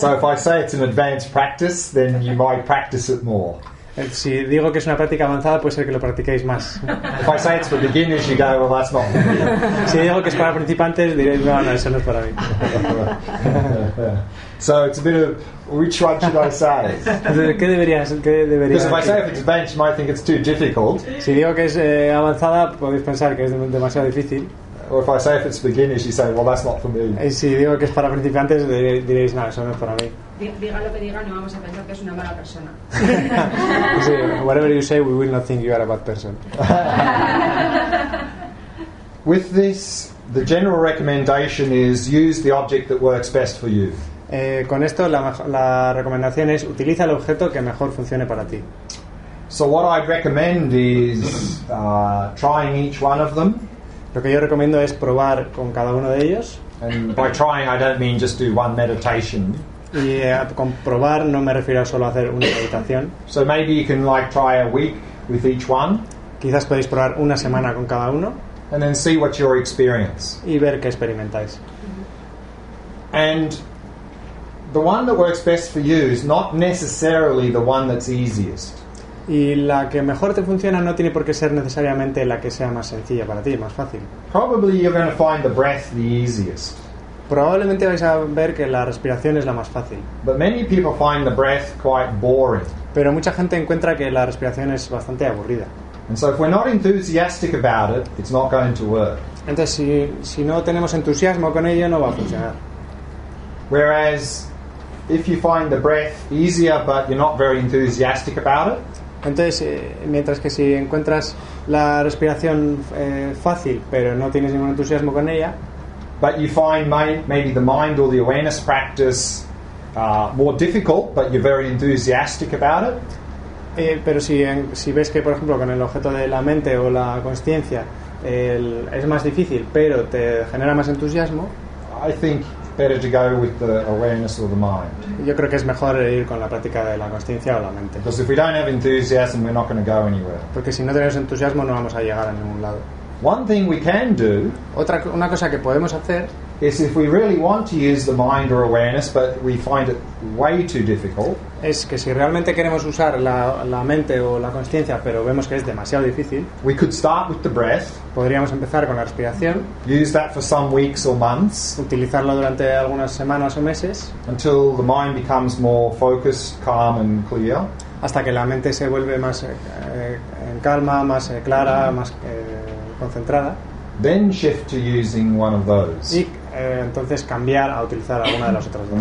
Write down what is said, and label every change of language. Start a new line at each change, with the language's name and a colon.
English: So if I say it's an advanced practice, then you might practice it more.
Spanish: Si digo que es una práctica avanzada, puede ser que lo practiquéis más.
English: If I say it's for beginners, you go, well, that's not for me.
Spanish: Si digo que es para principiantes, diréis, no, no, eso no es para mí.
English: So it's a bit of, which one should I say?
Spanish: ¿Qué debería?
English: Because if I say if it's advanced, you might think it's too difficult.
Spanish: Si digo que es avanzada, podéis pensar que es demasiado difícil.
English: Or if I say if it's beginners, you say, well, that's not for me.
Spanish: Y si digo que es para principiantes, diréis, no, eso no es para mí. Diga lo que diga, no vamos a pensar que es una mala persona. Sí,
English: whatever you say, we will not think you are a bad person. With this, the general recommendation is use the object that works best for you.
Spanish: Con esto, la recomendación es utiliza el objeto que mejor funcione para ti.
English: So what I'd recommend is trying each one of them.
Spanish: Lo que yo recomiendo es probar con cada uno de ellos.
English: And by trying, I don't mean just do one meditation.
Spanish: Y a comprobar no me refiero solo a hacer una meditación.
English: So maybe you can like try a week with each one.
Spanish: Quizás podéis probar una semana con cada uno.
English: And then see what your experience.
Spanish: Y ver qué experimentáis.
English: And the one that works best for you is not necessarily the one that's easiest.
Spanish: Y la que mejor te funciona no tiene por qué ser necesariamente la que sea más sencilla para ti, más fácil.
English: Probably you're going to find the breath the easiest.
Spanish: Probablemente vais a ver que la respiración es la más fácil.
English: But many people find the breath quite boring.
Spanish: Pero mucha gente encuentra que la respiración es bastante aburrida.
English: And so if we're not enthusiastic about it, it's not going to work.
Spanish: Entonces si no tenemos entusiasmo con ello, no va a funcionar.
English: Whereas if you find the breath easier but you're not very enthusiastic about it.
Spanish: Entonces, mientras que si encuentras la respiración fácil, pero no tienes ningún entusiasmo con ella,
English: but you find maybe the mind or the awareness practice more difficult, but you're very enthusiastic about it.
Spanish: Pero si ves que, por ejemplo, con el objeto de la mente o la consciencia, es más difícil, pero te genera más entusiasmo.
English: I think better to go with the awareness or the mind.
Spanish: Yo creo que es mejor ir con la práctica de la consciencia o la mente.
English: Because if we don't have enthusiasm, we're not going to go anywhere.
Spanish: Porque si no tenemos entusiasmo, no vamos a llegar a ningún lado.
English: One thing we can do,
Spanish: una cosa que podemos hacer,
English: is if we really want to use the mind or awareness, but we find it way too difficult.
Spanish: Es que si realmente queremos usar la mente o la consciencia, pero vemos que es demasiado difícil.
English: We could start with the breath.
Spanish: Podríamos empezar con la respiración.
English: Use that for some weeks or months.
Spanish: Utilizarlo durante algunas semanas o meses.
English: Until the mind becomes more focused, calm, and clear.
Spanish: Hasta que la mente se vuelve más en calma, más clara, más concentrada.
English: Then shift to using one of those.
Spanish: Y entonces cambiar a utilizar alguna de las otras dos.